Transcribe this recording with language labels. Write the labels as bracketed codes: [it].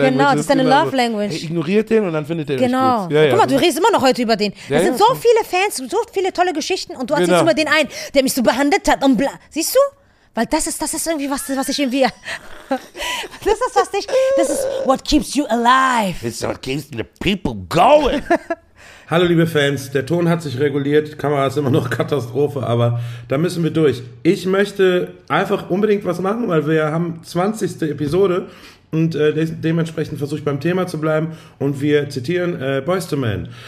[de] Genau, das ist deine Love Language. Hey, ignoriert den und dann findet der, genau, dich gut. Ja, ja. Guck mal, du redest immer noch heute über den. Ja, das sind so viele Fans, so viele tolle Geschichten und du erzählst, genau, über den einen, der mich so behandelt hat und bla. Siehst du? Weil das ist irgendwie was, was ich irgendwie. Das ist was dich. Das ist [en] what keeps you alive. It's what keeps the people going. [de] Hallo liebe Fans, der Ton hat sich reguliert, die Kamera ist immer noch Katastrophe, aber da müssen wir durch. Ich möchte einfach unbedingt was machen, weil wir haben 20. Episode und dementsprechend versuche ich beim Thema zu bleiben und wir zitieren Boyz II Men.